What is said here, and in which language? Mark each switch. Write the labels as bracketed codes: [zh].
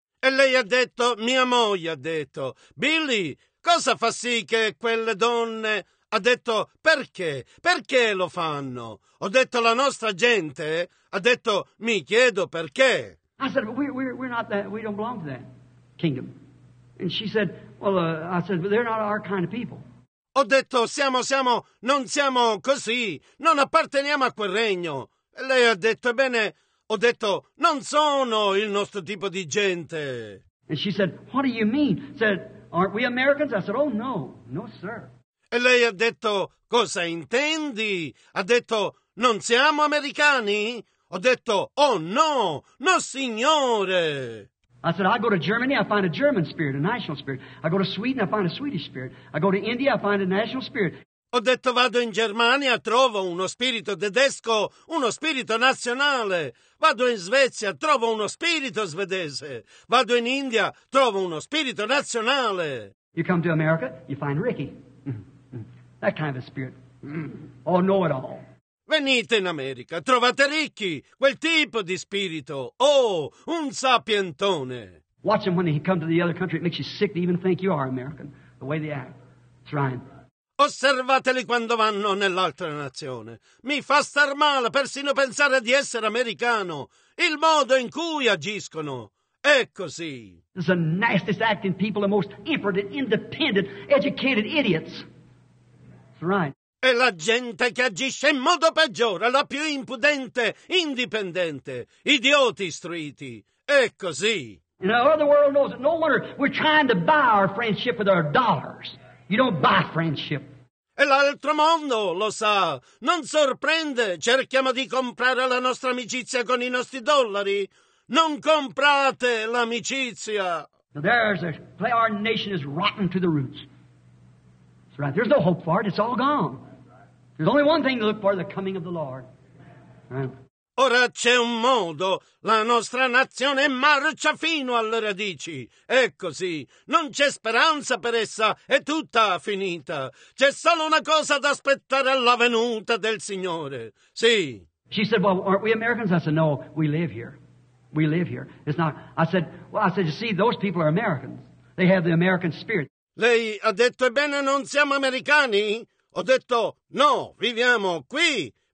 [it] E lei ha detto, mia moglie ha detto, Billy. Cosa fa sì che quelle donne... Ha detto, perché? Perché lo fanno? Ho detto, la nostra gente... Ha detto, mi chiedo perché? [en] I said, we're not that, we don't belong to that kingdom. And she said, they're not our kind of people. [it] Ho detto, siamo, non siamo così. Non apparteniamo a quel regno. E lei ha detto, ebbene, ho detto, non sono il nostro tipo di gente. [en] And she said, what do you mean? Said... Aren't we Americans? I said, oh no, no sir. [it] E lei ha detto, cosa intendi? Ha detto, non siamo americani? Ho detto, oh no, no signore. [en] I said, I go to Germany, I find a German spirit, a national spirit. I go to Sweden, I find a Swedish spirit. I go to India, I find a national spirit. [it] Ho detto, vado in Germania, trovo uno spirito tedesco, uno spirito nazionale. Vado in Svezia, trovo uno spirito svedese. Vado in India, trovo uno spirito nazionale. [en] You come to America, you find Ricky. That kind of a spirit. Oh, know it all. [it] Venite in America, trovate Ricky, quel tipo di spirito. Oh, un sapientone. [en] Watch him when he comes to the other country, it makes you sick to even think you are American. The way they act. It's right. [it] Osservateli quando vanno nell'altra nazione. Mi fa star male persino pensare di essere americano. Il modo in cui agiscono è così. [en] It's the nastiest acting people, the most impudent, independent, educated idiots. That's right. [it] È la gente che agisce in modo peggiore, la più impudente, indipendente, idioti istruiti. È così. [en] You know, the world knows it. No wonder we're trying to buy our friendship with our dollars. You don't buy friendship. [it] E l'altro mondo lo sa, non sorprende, cerchiamo di comprare la nostra amicizia con i nostri dollari. Non comprate l'amicizia. [en] Our nation is rotten to the roots. That's right. There's no hope for it, it's all gone. There's only one thing to look for, the coming of the Lord. Right. [it] Ora c'è un modo, la nostra nazione marcia fino alle radici. È così, non c'è speranza per essa, è tutta finita. C'è solo una cosa da aspettare alla venuta del Signore. Sì. [en] She said, well, aren't we Americans? I said, no, we live here. We live here. It's not, I said, you see, those people are Americans. They have the American spirit. [it] Lei ha detto, ebbene, non siamo americani? Ho detto, no, viviamo qui.